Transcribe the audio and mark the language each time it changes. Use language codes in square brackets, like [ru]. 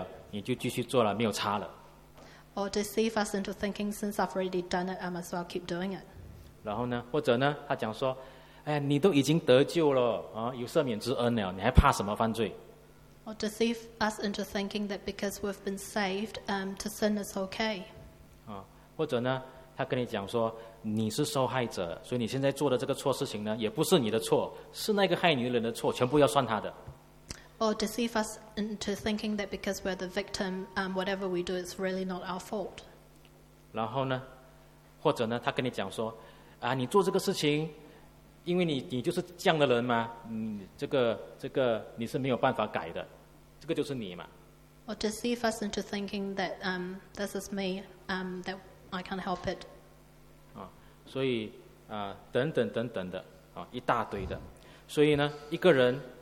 [zh] 或者呢，他跟你讲说，哎呀，反正你都已经犯罪了，你就继续做了，没有差了。 [en] Or deceive us into thinking since I've already done it, I might as well keep doing it. [zh] 然后呢，或者呢，他讲说，哎呀，你都已经得救了啊，有赦免之恩了，你还怕什么犯罪？ [en] Or deceive us into thinking that because we've been saved, to sin is okay. [zh] 或者呢，他跟你讲说，你是受害者，所以你现在做的这个错事情呢，也不是你的错，是那个害你的人的错，全部要算他的。 [en] Or deceive us into thinking that because we're the victim, whatever we do is really not our fault. [zh] 然后呢，或者呢，他跟你讲说，你做这个事情，因为你就是这样的人嘛，这个你是没有办法改的，这个就是你嘛。 [en] Or deceive us into thinking that this is me, that I can't help it. [zh] 所以等等等等的，一大堆的，所以呢，一个人。